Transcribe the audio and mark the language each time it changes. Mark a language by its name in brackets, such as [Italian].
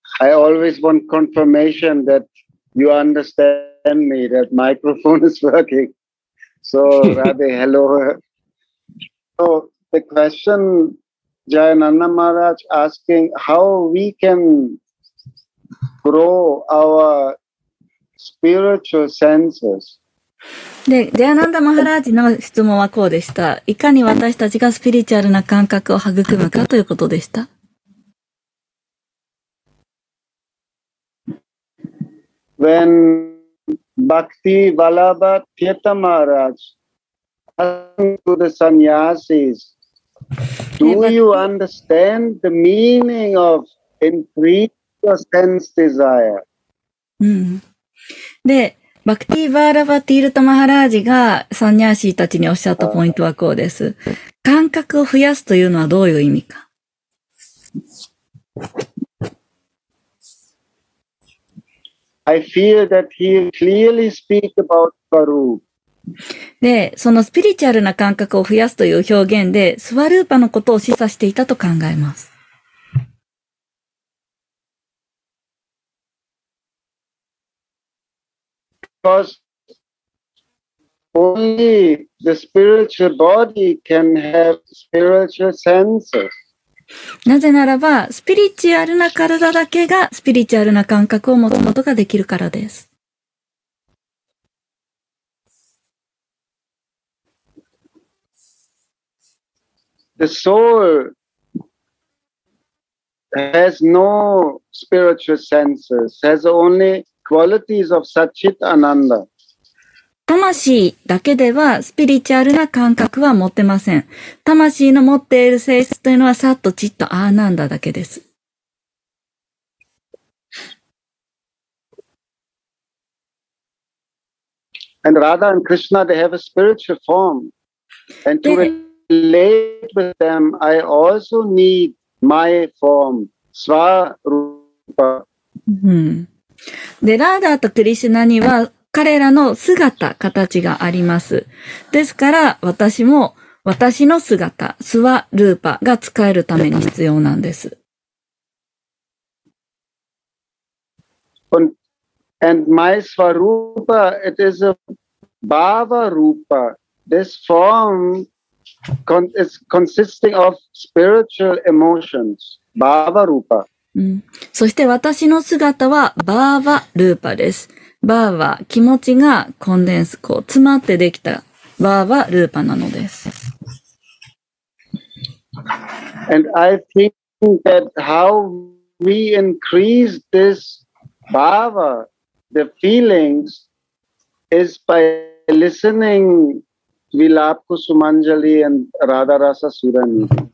[English] I always want confirmation that you understand me, that microphone is working. So Radhe, hello. So the question Jayananda Maharaj asking how we can grow our spiritual senses. [Japanese] で、ジャナンダ・マハラージの質問はこうでした。いかに私たちがスピリチュアルな感覚を育むかということでした。 [English] When Bhakti Vallabha Tirtha Maharaj asked the sannyasis, Do you understand the meaning of increase your sense desire? [Japanese] で、バクティ・バーラバ・ティルタ・マハラージがサンニャーシーたちにおっしゃったポイントはこうです。感覚を増やすというのはどういう意味か。 [English] I feel that he clearly speaks about Svarupa. [Japanese] で、そのスピリチュアルな感覚を増やすという表現で、スワルーパのことを示唆していたと考えます。 [English] Because only the spiritual body can have spiritual senses. [Japanese] なぜならば、スピリチュアルな体だけがスピリチュアルな感覚を持つことができるからです。 [English] The soul has no spiritual senses, has only qualities of Satchit Ananda. [Japanese] 魂だけではスピリチュアルな感覚は持てません。魂の持っている性質というのはサッとチッとアーナンダだけです。 [English] And Radha and Krishna, they have a spiritual form. And to relate with them, I also need my form, Svarupa. [Japanese] で、ラーダーとクリシュナには彼らの姿、形があります。ですから、私も私の姿、スワルーパが使えるために必要なんです。 [English] And my Swarupa, it is a Bhava Rupa. This form is consisting of spiritual emotions, Bhava Rupa. [Japanese] そして私の姿はバーバルーパです。バーは気持ちがコンデンス、こう詰まってできたバーバルーパなのです。 [English] And I think that how we increase this bhava, the feelings, is by listening Vilap Kusumanjali and Radharasa Surani.